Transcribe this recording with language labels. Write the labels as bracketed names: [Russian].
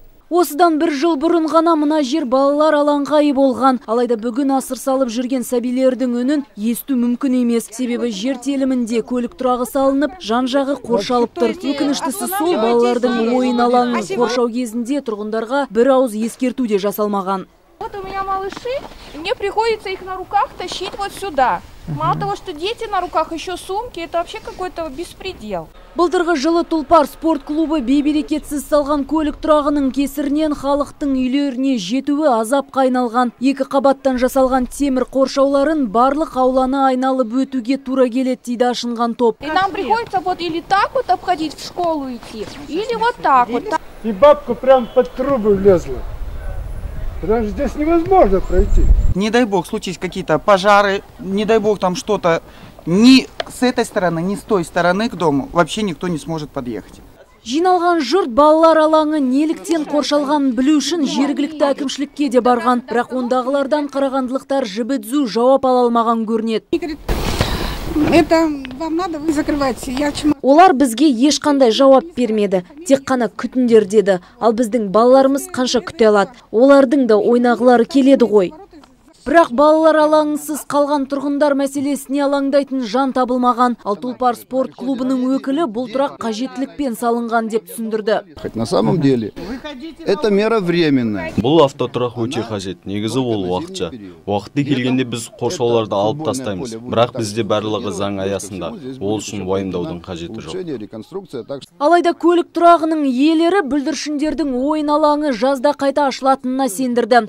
[Kazakh] Осыдан бір жыл бұрын ғана мына жер балалар алаңғайы болған. Алайда бүгін асыр салып жүрген сәбилердің үнін есту мүмкін емес. Себебі жер телімінде көлік тұрағы салынып, жан жағы қоршалып тұр. Өкініштісі сол, балалардың ойын алаңын қоршау кезінде тұрғындарға бір ауыз ескерту де жасалмаған. [Russian] Вот у меня малыши, и мне приходится их на руках тащить вот сюда. Мало того, что дети на руках, еще сумки, это вообще какой-то беспредел. [Kazakh] Былдырғы жылы Тулпар спорт клубы бейберекетсіз салған көлік тұрағының кесірінен халықтың үйлеріне жетуі азап қайналған. Екі қабаттан жасалған темір қоршауларын барлық ауланы айналып өтуге тура келет, дейді ашынған топ. [Russian] И нам приходится вот или так вот обходить в школу идти, или вот так вот. И бабка прям под трубы влезла. Потому что здесь невозможно пройти. Не дай бог случись какие-то пожары, не дай бог там что-то. Ни с этой стороны, ни с той стороны к дому вообще никто не сможет подъехать. [Kazakh] Жиналған жұрт балалар алаңы неліктен қоршалған білу үшін жергілікті әкімшілікке де барған. Бірақ ондағылардан қарағандылықтар жібідзу жауап ала алмаған көрінеді. [Russian] Это вам надо, вы закрываете. Я чем... [Kazakh] Олар бізге ешқандай жауап бермеді, тек қана күтіндер деді. Ал біздің балаларымыз қанша күте алады? Олардың да ойнағылары келеді ғой. Бірақ балалар алаңысыз қалған тұрғындар мәселесіне алаңдайтын жан табылмаған. Ал Тулпар спорт клубының өкілі бұл тұрақ қажеттілікпен салынған деп түсіндірді. [Russian] На самом деле это мера временная. [Kazakh] Бұл автотұрақ өте қажет. Негізі ол уақытша. Уақыты келгенде біз қоршауларды алып тастаймыз. Бірақ бізде барлығы заң аясында. Ол үшін уайымдаудың қажеті жоқ. Алайда көлік тұрағының иелері бүлдіршіндердің ойын алаңы жазда қайта ашылатынына сендірді.